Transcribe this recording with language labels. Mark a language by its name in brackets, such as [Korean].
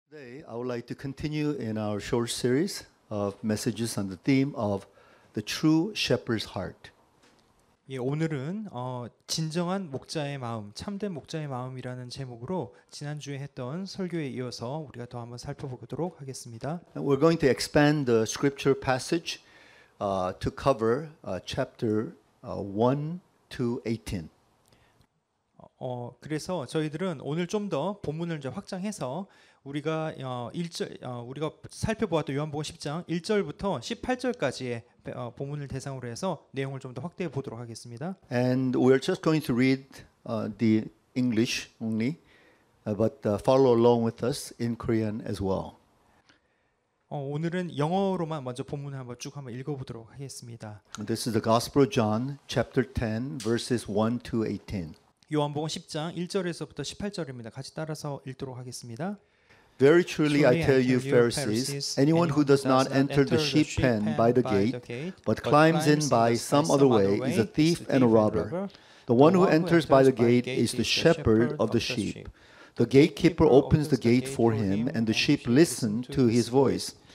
[English] Today, I would like to continue in our short series of messages on the theme of the true shepherd's heart. [Korean] 예, 오늘은 진정한 목자의 마음, 참된 목자의 마음이라는 제목으로 지난주에 했던 설교에 이어서 우리가 또 한번 살펴보도록 하겠습니다. [English] And we're going to expand the scripture passage to cover chapter 1 to 18. [Korean] 그래서 저희들은 오늘 좀 더 본문을 이제 확장해서 우리가 1절 우리가 살펴보았던 요한복음 10장 1절부터 18절까지의 본문을 대상으로 해서 내용을 좀 더 확대해 보도록 하겠습니다. [English] And we are just going to read the English only, but follow along with us in Korean as well. [Korean] 오늘은 영어로만 먼저 본문을 한번 쭉 한번 읽어 보도록 하겠습니다. [English] This is the Gospel of John chapter 10 verses 1 to 18. [Korean] 요한복음 10장 1절에서부터 18절입니다. 같이 따라서 읽도록 하겠습니다. [English] Very truly I tell you, Pharisees, anyone who does not enter the sheep pen by the gate, but climbs in by some other way, is a thief and a robber. The one who enters by the gate is the shepherd of the sheep. The gatekeeper opens the gate for him, and the sheep listen to his voice.